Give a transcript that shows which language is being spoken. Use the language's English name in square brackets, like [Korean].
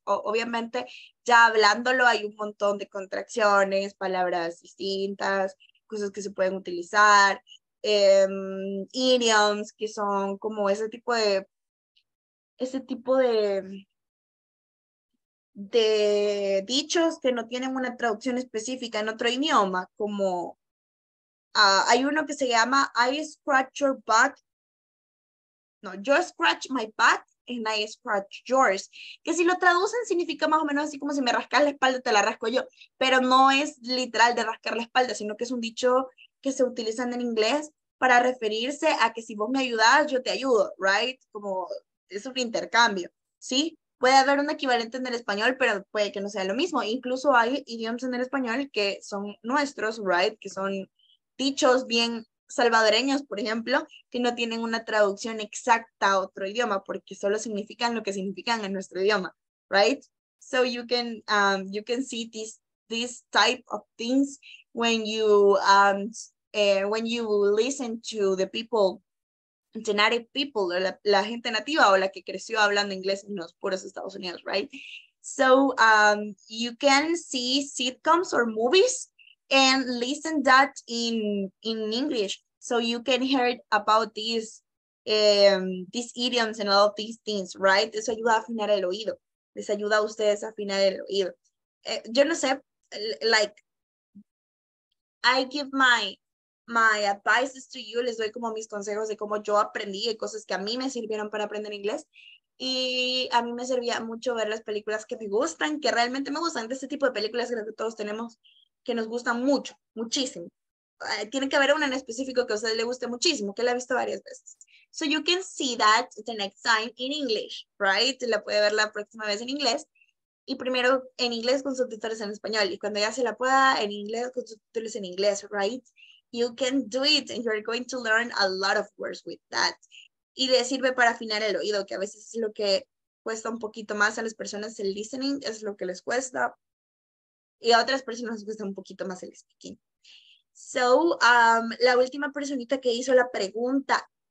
[Spanish] Obviamente, ya hablándolo, hay un montón de contracciones, palabras distintas, cosas que se pueden utilizar, idioms, que son como ese tipo de dichos que no tienen una traducción específica en otro idioma, como hay uno que se llama I scratch your back. [English] No, yo scratch my back and I scratch yours. [Spanish] Que si lo traducen significa más o menos así como si me rascas la espalda, te la rasco yo. Pero no es literal de rascar la espalda, sino que es un dicho que se utiliza en inglés para referirse a que si vos me ayudas, yo te ayudo, right? Como es un intercambio, ¿sí? Puede haber un equivalente en el español, pero puede que no sea lo mismo. Incluso hay idiomas en el español que son nuestros, right? Que son dichos bien salvadoreños, por ejemplo, que no tienen una traducción exacta a otro idioma, porque solo significan lo que significan en nuestro idioma, right? [English] So you can see this type of things when you listen to the people, the native people, or la gente nativa o la que creció hablando inglés en los puros Estados Unidos, right? So you can see sitcoms or movies and listen that in English, so you can hear about these idioms and all of these things, right? [Spanish] Eso ayuda a afinar el oído. Les ayuda a ustedes a afinar el oído. Yo no sé, like, I give my advices to you, les doy como mis consejos de cómo yo aprendí y cosas que a mí me sirvieron para aprender inglés. y a mí me servía mucho ver las películas que me gustan, que realmente me gustan, de este tipo de películas que todos tenemos, que nos gustan mucho, muchísimo. Tiene que haber una en específico que a usted le guste muchísimo, que la ha visto varias veces. [English] So you can see that the next time in English, right? [Spanish] La puede ver la próxima vez en inglés. Y primero en inglés con subtítulos en español. Y cuando ya se la pueda, en inglés con subtítulos en inglés, right? [English] You can do it and you're going to learn a lot of words with that. [Spanish] Y le sirve para afinar el oído, que a veces es lo que cuesta un poquito más a las personas el listening, es lo que les cuesta. Y a otras personas les cuesta un poquito más el speaking. So, la última personita que hizo la pregunta.